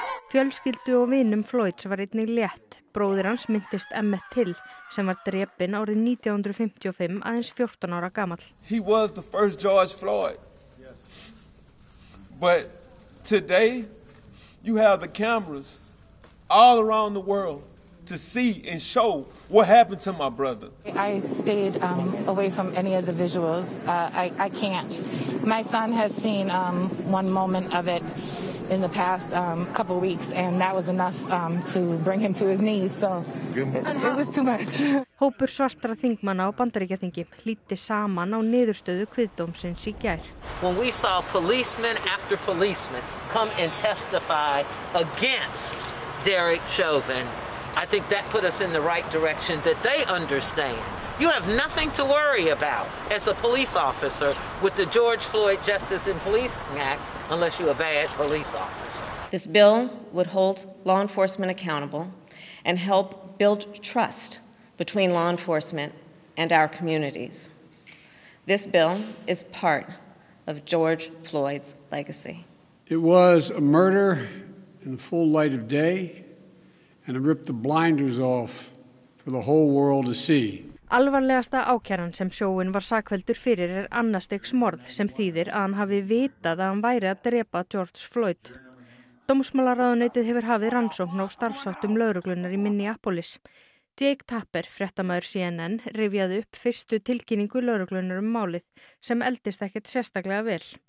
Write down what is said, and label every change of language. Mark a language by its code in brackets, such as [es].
[is] Fjölskyldu og vinum Floyds var einnig létt. Bróðir hans minntist Emmett Till sem var drepinn árið 1955 aðeins 14 ára gamall. [en] He was the first George Floyd. But today you have the cameras all around the world to see and show what happened to my brother. I stayed away from any of the visuals. I can't. My son has seen one moment of it. in the past couple of weeks and that was enough to bring him to his knees, so it was too much. [is] Hópur svartra þingmanna á Bandaríkjaþingi hlýtti saman á niðurstöðu kviðdómsins í gær. [en] When we saw policeman after policeman come and testify against Derek Chauvin, I think that put us in the right direction that they understand. You have nothing to worry about as a police officer with the George Floyd Justice in Policing Act unless you're a bad police officer. This bill would hold law enforcement accountable and help build trust between law enforcement and our communities. This bill is part of George Floyd's legacy. It was a murder in the full light of day, and it ripped the blinders off for the whole world to see. [is] Alvarlegasta ákæran sem sjóin var sakfelldur fyrir er annars stigs morð sem þýðir að hann hafi vitað að hann væri að drepa George Floyd. Dómsmálaráðuneytið hefur hafið rannsókn á starfsháttum lögreglunar í Minneapolis. Jake Tapper, fréttamaður CNN, rifjaði upp fyrstu tilkynningu lögreglunar málið sem eldist ekkert sérstaklega vel.